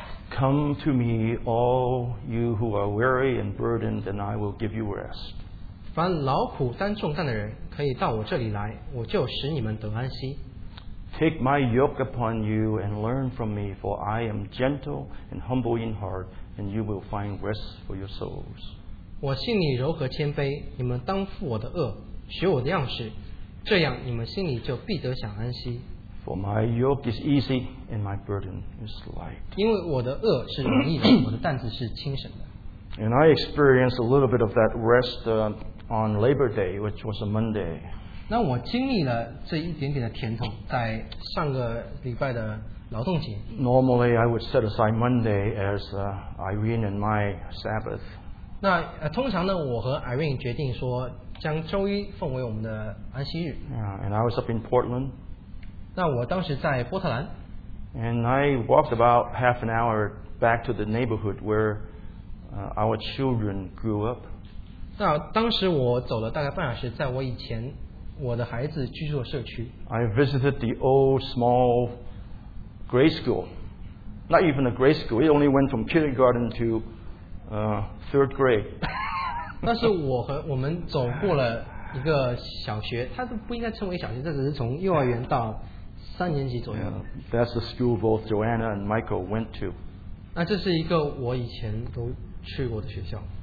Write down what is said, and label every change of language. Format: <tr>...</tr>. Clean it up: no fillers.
<en>Come to me, all you who are weary and burdened, and I will give you rest.</en> <zh>凡劳苦担重担的人可以到我这里来，我就使你们得安息。</zh> <en>Take my yoke upon you and learn from me, for I am gentle and humble in heart, and you will find rest for your souls.</en> <zh>我心里柔和谦卑，你们当负我的轭，学我的样式，这样你们心里就必得享安息。</zh> <en>For my yoke is easy and my burden is light.</en> <zh>因为我的轭是容易的，我的担子是轻省的。</zh> <en>And I experienced a little bit of that rest on Labor Day, which was a Monday.</en> <zh>那我经历了这一点点的甜头，在上个礼拜的劳动节。</zh> <en>Normally, I would set aside Monday as Irene and my Sabbath.</en> <zh>那通常呢，我和 Irene 决定说将周一奉为我们的安息日。</zh> <en>Yeah, and I was up in Portland.</en> <zh>那我当时在波特兰。</zh> <en>And I walked about half an hour back to the neighborhood where our children grew up.</en> <zh>那当时我走了大概半小时，在我以前我的孩子居住的社区。</zh> <en>I visited the old small grade school, not even a grade school. It only went from kindergarten to third grade.</en> <zh>那是我们走过了一个小学，它都不应该称为小学，这只是从幼儿园到。三年级左右。</zh> <en>Yeah, that's the school both Joanna and Michael went to.</en> <zh>那这是一个我以前都去过的学校。</zh>